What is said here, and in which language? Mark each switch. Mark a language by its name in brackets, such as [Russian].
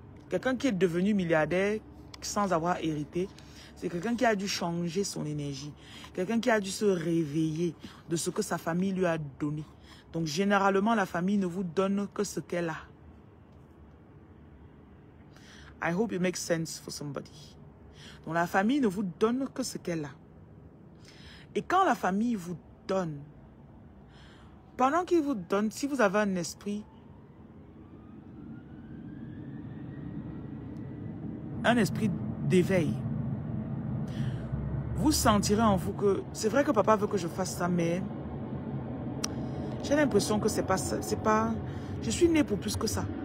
[French] Quelqu'un qui est devenu milliardaire sans avoir hérité, c'est quelqu'un qui a dû changer son énergie. Quelqu'un qui a dû se réveiller de ce que sa famille lui a donné. Donc, généralement, la famille ne vous donne que ce qu'elle a. [English] I hope it makes sense for somebody. [French] Donc, la famille ne vous donne que ce qu'elle a. Et quand la famille vous donne, pendant qu'il vous donne, si vous avez un esprit, d'éveil, vous sentirez en vous que c'est vrai que papa veut que je fasse ça, mais j'ai l'impression que c'est pas ça, c'est pas, je suis née pour plus que ça.